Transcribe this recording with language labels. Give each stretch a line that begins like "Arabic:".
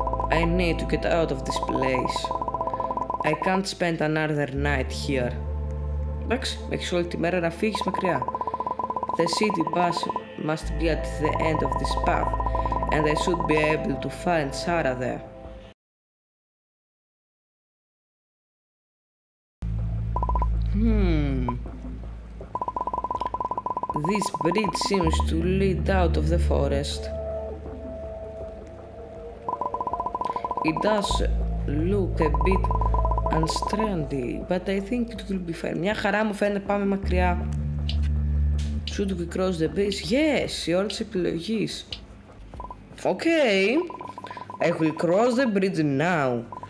English: I need to get out of this place. I can't spend another night here.
Greek: Εντάξει, έχεις όλη τη μέρα να φύγεις μακριά.
English: The city bus must be at the end of this path and I should be able to find Sarah there. This bridge seems to lead out of the forest. It does look a bit unstrandy, but I think it will be fine.
Greek: Μια χαρά μου φαίνεται, πάμε μακριά.
English: Should we cross the bridge?
Greek: Yes, η ώρα της επιλογής.
English: Okay, I will cross the bridge now.